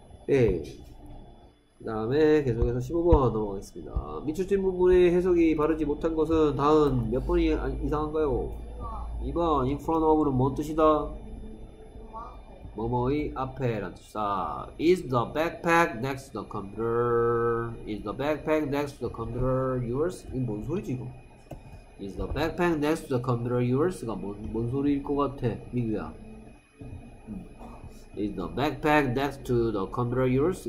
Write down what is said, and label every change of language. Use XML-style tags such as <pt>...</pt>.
<ko>예. 그 다음에 계속해서 15번 넘어가겠습니다. 미출진 부분의 해석이 바르지 못한 것은 다음 몇 번이 이상한가요? 2번 In front of는 뭔 뜻이다? 뭐뭐의 앞에 라는 뜻이다.</ko> <en>Is the backpack next to the computer? Is the backpack next to the computer yours?</en> <ko>이게 뭔 소리지 이거?</ko> <en>Is the backpack next to the computer yours?</en> <ko>가 뭔 소리일 것 같아 미규야?</ko> <en>Is the backpack next to the computer yours?</en>